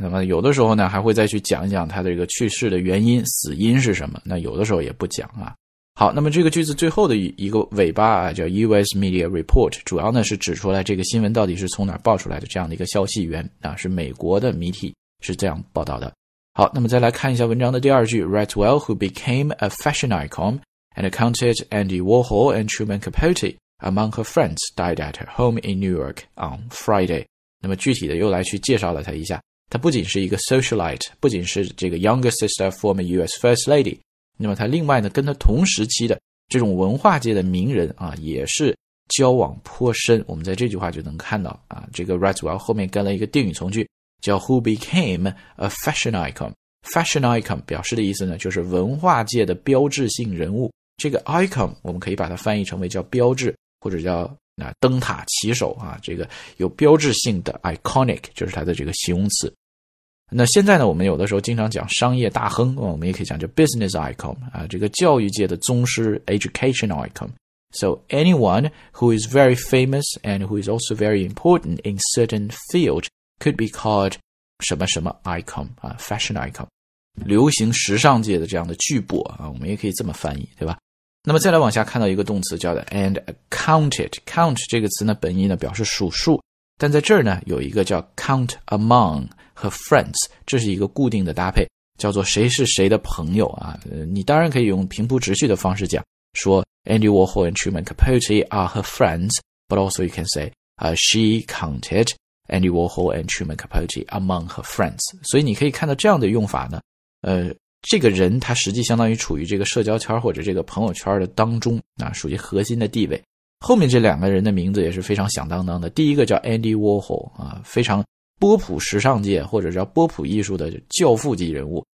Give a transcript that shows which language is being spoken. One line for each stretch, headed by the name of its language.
Chinese: 那么有的时候呢还会再去讲一讲他的这个去世的原因死因是什么，那有的时候也不讲啊。好，那么这个句子最后的一个尾巴啊，叫
English: US Media Report，
Chinese: 主要呢是指出来这个新闻到底是从哪儿爆出来的这样的一个消息源啊，是美国的媒体是这样报道的。好，那么再来看一下文章的第二句
English: ,Ratwell, who became a fashion icon and counted Andy Warhol and Truman Capote among her friends, died at her home in New York on Friday.
Chinese: 那么具体的又来去介绍了他一下，他不仅是一个 socialite, 不仅是这个
English: younger sister former US First Lady,
Chinese: 那么他另外呢跟他同时期的这种文化界的名人啊也是交往颇深。我们在这句话就能看到啊，这个 Ratswell 后面跟了一个定语从句叫
English: who became a fashion icon。
Chinese: fashion icon 表示的意思呢就是文化界的标志性人物。这个 icon 我们可以把它翻译成为叫标志或者叫啊灯塔旗手啊，这个有标志性的 iconic 就是它的这个形容词。那现在呢我们有的时候经常讲商业大亨，我们也可以讲就 business icon 啊，这个教育界的宗师 education icon。
English: So anyone who is very famous and who is also very important in certain field could be called 什么什么 icon 啊， fashion icon，
Chinese: 流行时尚界的这样的巨擘啊，我们也可以这么翻译，对吧。那么再来往下看到一个动词叫的 and counted， count 这个词呢本意呢表示数数，但在这儿呢有一个叫 count among和 friends， 这是一个固定的搭配，叫做谁是谁的朋友啊。你当然可以用平铺直叙的方式讲，说
English: Andy Warhol and Truman Capote are her friends， but also you can say she counted Andy Warhol and Truman Capote among her friends。
Chinese: 所以你可以看到这样的用法呢，这个人他实际相当于处于这个社交圈或者这个朋友圈的当中啊，属于核心的地位。后面这两个人的名字也是非常响当当的，第一个叫 Andy Warhol 啊，非常波普时尚界或者叫波普艺术的教父级人物。